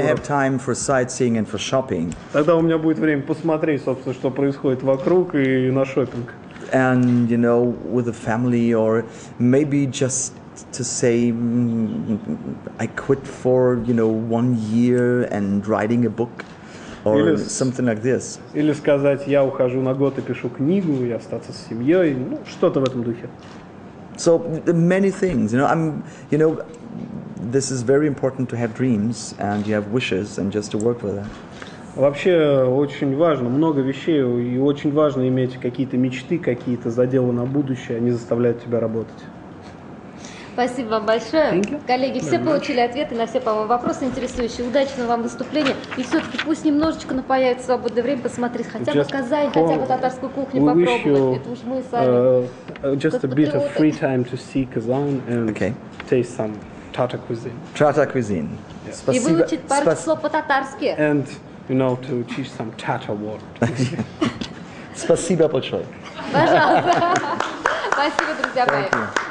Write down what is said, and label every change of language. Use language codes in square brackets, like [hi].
[en] I have time for sightseeing and for shopping. [ru] Тогда у меня будет время посмотреть, собственно, что происходит вокруг, и на шопинг. [en] And you know, with the family, or maybe just to say I quit for, you know, 1 year and writing a book. or [ru] или, [en] something like this. [ru] Или сказать, я ухожу на год и пишу книгу, и остаться с семьей, ну, что-то в этом духе. [en] So, many things, you know, I'm, you know, this is very important to have dreams, and you have wishes, and just to work with that. [ru] Вообще, очень важно, много вещей, и очень важно иметь какие-то мечты, какие-то заделы на будущее, они заставляют тебя работать. Спасибо вам большое. Коллеги, все получили ответы на все, по-моему, вопросы интересующие. Удачного вам выступления. И все-таки пусть немножечко, но появится свободное время посмотреть хотя бы Казань, хотя бы татарскую кухню попробовать. Это уж мы сами. [en] Just a bit of free time to see Kazan and taste some Tatar cuisine. Tatar cuisine. [ru] И выучить пару слов по-татарски. [en] And, you know, to teach some Tatar word. [ru] Спасибо большое. Пожалуйста. Спасибо, друзья мои.